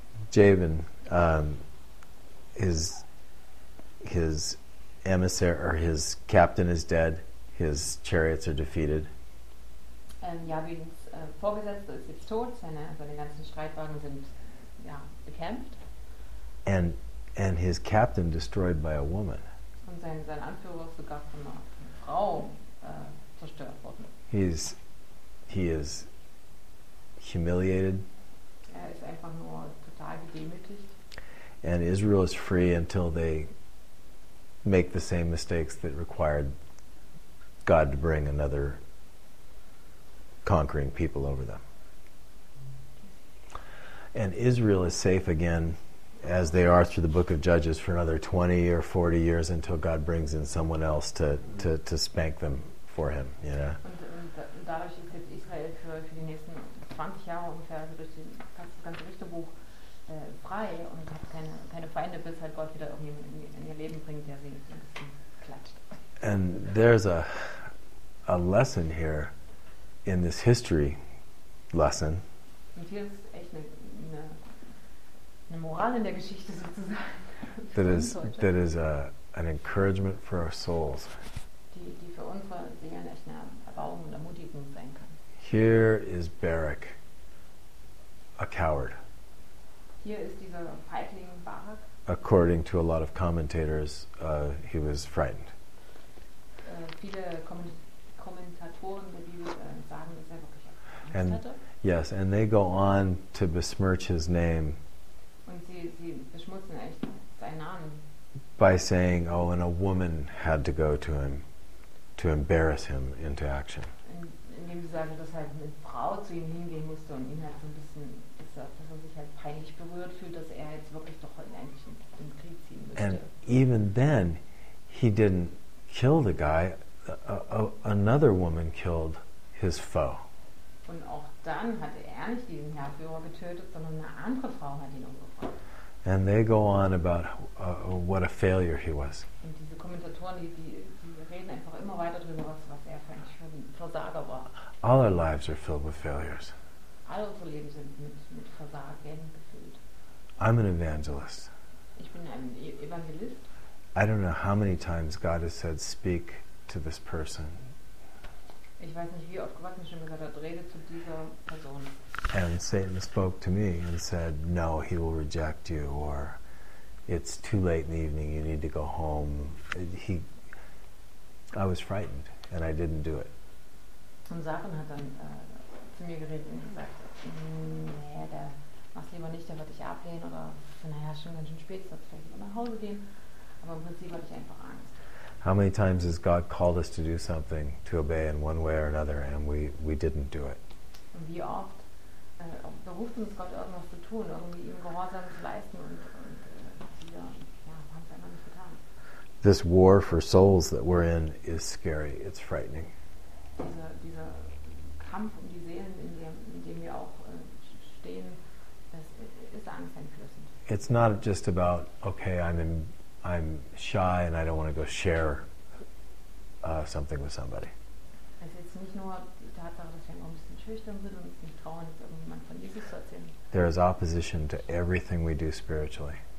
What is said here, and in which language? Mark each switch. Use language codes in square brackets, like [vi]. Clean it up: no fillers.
[en] Jabin, his emissary or his captain is dead. His chariots are defeated. [de] Jabins Vorgesetzter ist jetzt tot. Seine ganzen Streitwagen sind ja bekämpft. [en] And his captain destroyed by a woman. [de] Und sein Anführer ist sogar von einer Frau zerstört worden. [en] He is humiliated. [de] Er ist einfach nur total gedemütigt. [en] And Israel is free until they make the same mistakes that required God to bring another conquering people over them. And Israel is safe again, as they are through the book of Judges, for another 20 or 40 years until God brings in someone else to spank them for him, you know. [de] Dadurch ist jetzt Israel für die nächsten 20 Jahre ungefähr, also durch das ganze Richterbuch, frei und hat keine Feinde, bis halt Gott wieder irgendwie in ihr Leben bringt, der sie ein bisschen klatscht. [en] And there's a lesson here in this history lesson. [de] Und hier ist echt eine Moral in der Geschichte sozusagen. [en] That is an encouragement for our souls. [de] Die für unsere Seelen echt eine Erbauung und Ermutigung sein kann. [en] Here is Barak, a coward. [de] Hier ist dieser Feigling Barak. [en] According to a lot of commentators, he was frightened. [de] Viele Kommentatoren der Bibel sagen, dass er wirklich Angst [en] and, [de] hatte. [en] Yes, and they go on to besmirch his name. [de] Und sie beschmutzen echt seinen Namen. [en] By saying, oh, and a woman had to go to him. To embarrass him into action. [de] Indem sie sagen, dass halt eine Frau zu ihm hingehen musste und ihn halt so ein bisschen, dass er sich halt peinlich berührt fühlt, dass er jetzt wirklich doch eigentlich in den Krieg ziehen müsste. [en] And even then, he didn't kill the guy. Another woman killed his foe. [de] Und auch dann hatte er nicht diesen Herrführer getötet, sondern eine andere Frau hat ihn umgebracht. [en] And they go on about what a failure he was. [de] Und diese Kommentatoren, einfach immer weiter drüber, was er für ein Versager war. [en] All our lives are filled with failures. [de] All unsere Leben sind mit Versagen gefüllt. [en] I'm an evangelist. [de] Ich bin ein Evangelist. [en] I don't know how many times God has said, speak to this person. [de] Ich weiß nicht, wie oft Gott mir schon gesagt hat, rede zu dieser Person. [en] And Satan spoke to me and said, no, he will reject you, or it's too late in the evening, you need to go home. I was frightened and I didn't do it. [de] Und Sachen hat dann zu mir geredet und gesagt, nee, der mach's lieber nicht, der wird dich ablehnen oder naja, schon ganz schön spät, sollst du vielleicht mal nach Hause gehen. Aber im Prinzip hatte ich einfach Angst. [en] How many times has God called us to do something, to obey in one way or another, and we didn't do it? [de] Und wie oft beruft uns Gott irgendwas zu tun, irgendwie ihm Gehorsam zu leisten und wir haben es einfach nicht getan. [en] This war for souls that we're in is scary, it's frightening. [de] Dieser Kampf um die Seelen, in dem wir auch stehen, das ist angsteinflößend. [en] It's not just about, okay, I'm shy and I don't want to go share something with somebody. [de] Es ist nicht nur die Tatsache, dass wir ein bisschen schüchtern sind und nicht trauen, irgendjemand von Jesus zu erzählen. [en] There is opposition to everything we do spiritually.